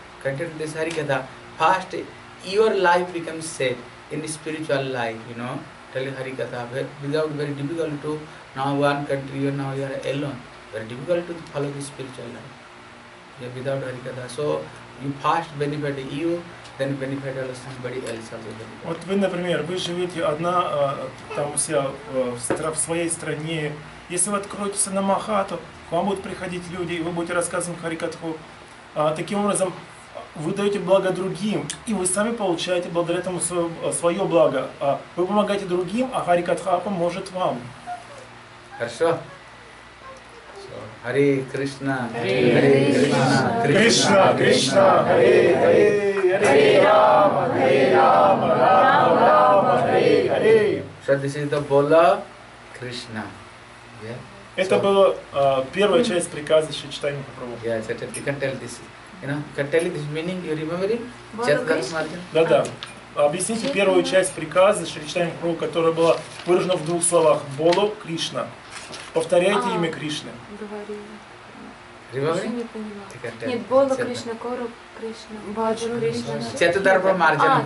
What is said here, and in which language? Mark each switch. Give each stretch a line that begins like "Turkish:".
English: Continue this Harikatha. First, your life becomes safe in spiritual life, you know. Telling Harikatha, without very difficult to, now one country, now you are alone. Very difficult to follow the spiritual life. Yeah, without Harikatha. So, you first benefit you, then benefit somebody else.
Russian: Вот вы, например, вы живете одна там у себя в своей стране. Если вы откроетесь на махату, к вам будут приходить люди, и вы будете рассказывать Харикатху. Таким образом, вы даете благо другим, и вы сами получаете благодаря этому свое благо. Вы помогаете другим, а Харикатха поможет вам. Хорошо.
Sanskrit: Hare Krishna, Hare Krishna, Krishna Krishna, Hare Hare, Hare Rama, Hare Rama, Rama Rama, Hare Hare.
English: So this is the Bola Krishna. Yeah.
Russian: Это была первая часть приказа Шри Чайтанья Махапрабху.
English: Yeah, so you can tell this, you know, can tell this meaning, you remember it? Chatkar Smartin.
Russian: Да, да. Объясните первую часть приказа Шри Чайтанья Махапрабху, которая была выражена в двух словах: Боло Кришна. Повторяйте имя Кришны. Говорили. Ривари? Нет, Бола Кришна, Кору Кришна, Баджу Кришна. Четадарпа Марджана.